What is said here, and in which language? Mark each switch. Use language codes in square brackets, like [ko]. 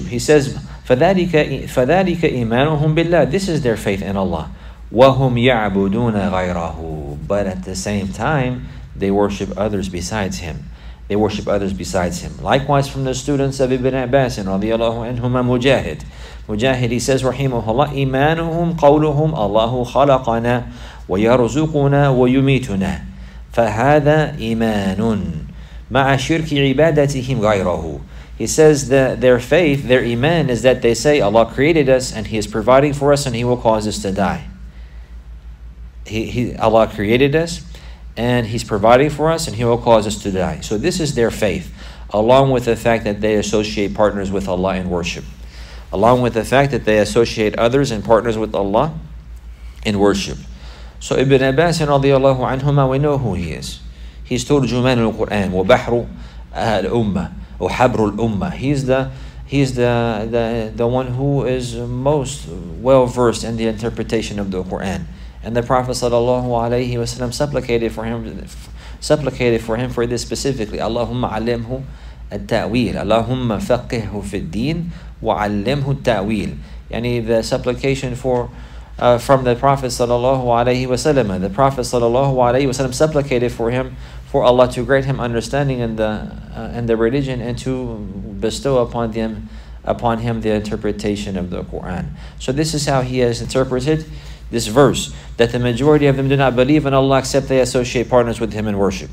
[en] He says, [ar] فَذَلِكَ إِيمَانُهُمْ بِاللَّهِ. [en] This is their faith in Allah. [ar] وَهُمْ يَعْبُدُونَ غَيْرَهُ. [en] But at the same time, they worship others besides Him. They worship others besides Him. Likewise, from the students of Ibn Abbas and radiyallahu anhuma Mujahid. [ar] Mujahid, [en] he says, [ar] rahimahullah, إِيمَانُهُمْ قَوْلُهُمْ اللَّهُ خَلَقَنَا وَيَرْزُقُنَا وَيُمِيتُنَا فَهَذَا إِيمَانٌ مَعَ شِرْكِ عِبَادَتِهِمْ غَيْرَهُ. [en] He says that their faith, their iman, is that they say Allah created us and He is providing for us and He will cause us to die. Allah created us and He's providing for us and He will cause us to die. So this is their faith, along with the fact that they associate partners with Allah in worship. Along with the fact that they associate others and partners with Allah in worship. So Ibn Abbas and radiyallahu anhumah, we know who he is. He's [ar] turjuman al-Qur'an wa bahru al-Ummah. وَحَبْرُ الْأُمَّةِ. [en] He's the one who is most well-versed in the interpretation of the Qur'an. And the Prophet sallallahu alayhi wa sallam supplicated for him for this specifically. [ar] اللهم علمه التأويل. اللهم فقهه في الدين وعلمه التأويل. [en] Yani the supplication from the Prophet sallallahu alayhi wa sallam. The Prophet sallallahu alayhi wa sallam supplicated for him for Allah to grant him understanding in the religion and to bestow upon him the interpretation of the Quran. So this is how he has interpreted this verse, that the majority of them do not believe in Allah except they associate partners with Him in worship.